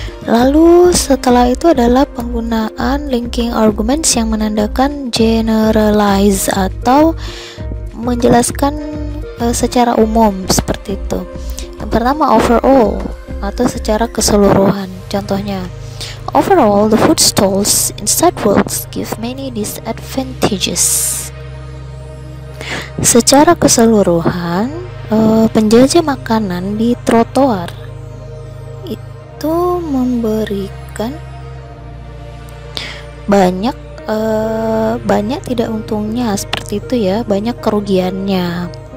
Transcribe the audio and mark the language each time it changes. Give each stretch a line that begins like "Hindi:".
Indonesian: Lalu setelah itu adalah penggunaan linking arguments yang menandakan generalize atau menjelaskan secara umum seperti itu. Yang pertama overall atau secara keseluruhan. Contohnya,
English: overall the food stalls in sidewalks give many disadvantages.
Indonesian: Secara keseluruhan, penjajah makanan di trotoar itu memberikan banyak tidak untungnya seperti itu ya, banyak kerugiannya.